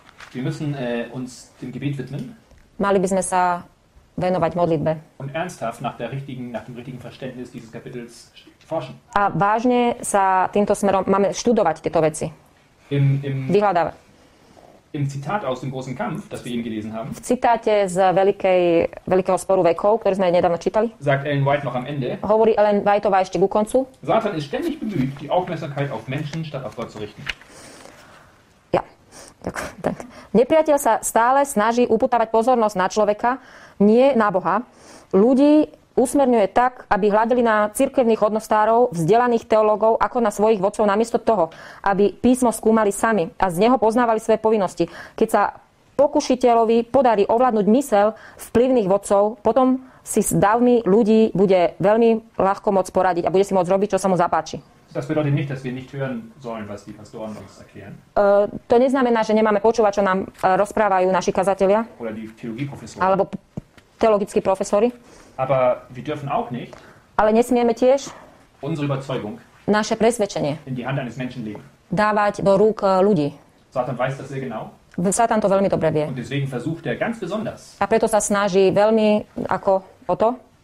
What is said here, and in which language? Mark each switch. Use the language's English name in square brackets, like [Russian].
[German] Wir müssen uns dem Gebet widmen. [Slovak] Mali by sme sa venovať modlitbe. [German] Und ernsthaft nach der richtigen, nach dem richtigen Verständnis dieses Kapitels forschen. [Slovak] A vážne sa týmto smerom máme študovať tieto veci. [German] Im Zitat aus dem großen Kampf, das wir eben gelesen haben. [Slovak] V citáte z veľkého sporu vekov, ktorý sme nedávno čítali. [German] Sagt Ellen White noch am Ende. [Slovak] Hovorí Ellen Whiteová ešte ku koncu. [German] Satan ist ständig bemüht, die Aufmerksamkeit auf Menschen statt auf Gott zu richten. [Slovak] Tak. Nepriateľ sa stále snaží upútavať pozornosť na človeka, nie na Boha. Ľudí usmerňuje tak, aby hľadali na cirkevných hodnostárov, vzdelaných teológov, ako na svojich vodcov, namiesto toho, aby písmo skúmali sami a z neho poznávali svoje povinnosti. Keď sa pokušiteľovi podarí ovládnuť myseľ vplyvných vodcov, potom si s davmi ľudí bude veľmi ľahko môcť poradiť a bude si môcť robiť, čo sa mu zapáči. [German] Das bedeutet nicht, dass wir nicht hören sollen, was die Pastoren uns erklären. [Slovak] To neznamená, že nemáme počúvať, čo nám rozprávajú naši kazatelia. [German] Oder die Theologieprofessoren. [Slovak] Alebo teologickí profesori. [German] Aber wir dürfen auch nicht. [Slovak] Ale nesmieme tiež. [German] Unsere Überzeugung. [Slovak] Naše presvedčenie. [German] In die Hand eines Menschen legen. [Slovak] Dávať do rúk ľudí. [German] Satan weiß das sehr genau. [Slovak] Satan to veľmi dobre vie. [German] Und deswegen versucht er ganz besonders. [Slovak] A preto sa snaží veľmi ako o to.